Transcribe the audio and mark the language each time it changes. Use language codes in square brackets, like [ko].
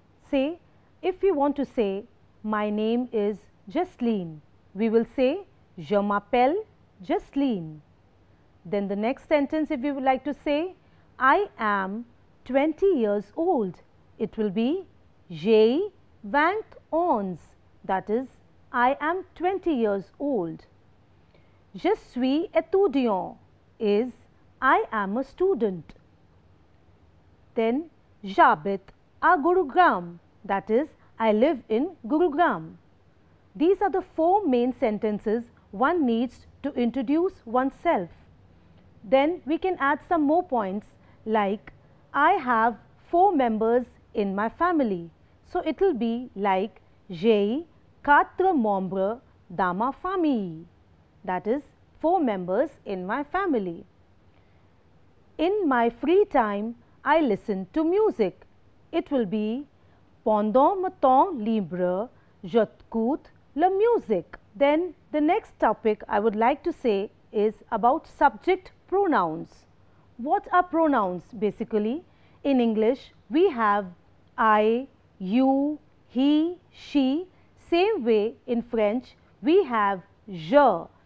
[en] Say, if you want to say my name is Jaslien, we will say [fr] je m'appelle Jaslien. [en] Then the next sentence, if you would like to say I am 20 years old, it will be [fr] j'ai 21, [en] that is I am 20 years old. [fr] Je suis étudiant [en] is I am a student. Then [fr] j'habite à Gurugram, [en] that is I live in Gurugram. These are the four main sentences one needs to introduce oneself. Then we can add some more points, like I have four members in my family. So it will be like [fr] j'ai 4 membres dans ma famille, [en] that is four members in my family. In my free time, I listen to music. It will be [fr] pendant mon temps libre, j'écoute la musique. [en] Then the next topic I would like to say is about subject pronouns. What are pronouns basically? In English, we have I, you, he, she. Same way in French, we have je.